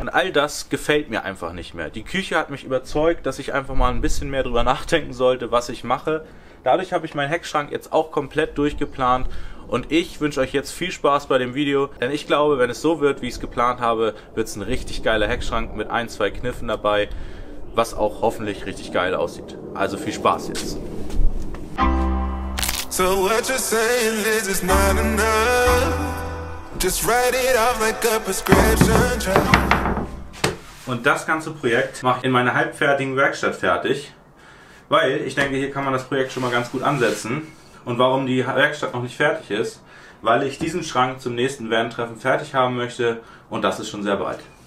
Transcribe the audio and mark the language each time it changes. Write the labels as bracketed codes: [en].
[de] Und all das gefällt mir einfach nicht mehr. Die Küche hat mich überzeugt, dass ich einfach mal ein bisschen mehr drüber nachdenken sollte, was ich mache. Dadurch habe ich meinen Heckschrank jetzt auch komplett durchgeplant und ich wünsche euch jetzt viel Spaß bei dem Video, denn ich glaube, wenn es so wird, wie ich es geplant habe, wird es ein richtig geiler Heckschrank mit ein, zwei Kniffen dabei, was auch hoffentlich richtig geil aussieht. Also viel Spaß jetzt. [en] So what you're saying is it's not enough. Just write it off like a prescription. [de] Und das ganze Projekt mache ich in meiner halbfertigen Werkstatt fertig. Weil ich denke, hier kann man das Projekt schon mal ganz gut ansetzen. Und warum die Werkstatt noch nicht fertig ist, weil ich diesen Schrank zum nächsten Van-Treffen fertig haben möchte und das ist schon sehr bald.